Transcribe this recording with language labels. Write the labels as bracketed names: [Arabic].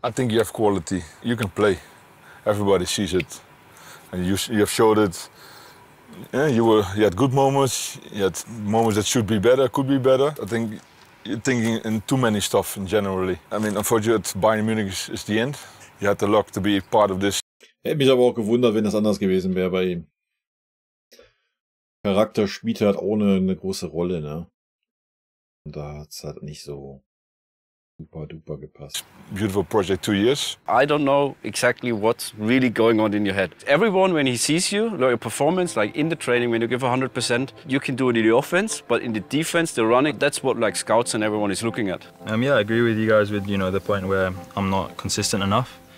[English] I think you have quality. You can play. Everybody sees it. And you have showed it. Yeah, you had good moments. You had moments that should be better, could be better. I think you're thinking in too many stuff in generally. I mean, unfortunately, Bayern Munich is the end. You had the luck to be part of this. [German] Hätte mich aber auch gewundert, wenn das anders gewesen wäre bei ihm. Charakter spielt halt ohne eine große Rolle, ne? Und da hat's halt nicht so super duper gepasst. [English] Beautiful project, 2 years. I don't know exactly what's really going on in your head. Everyone, when he sees you, like your performance, like in the training, when you give 100%, you can do it in the offense, but in the defense, the running, that's what like scouts and everyone is looking at. Yeah, I agree with you guys with, you know, the point where I'm not consistent enough.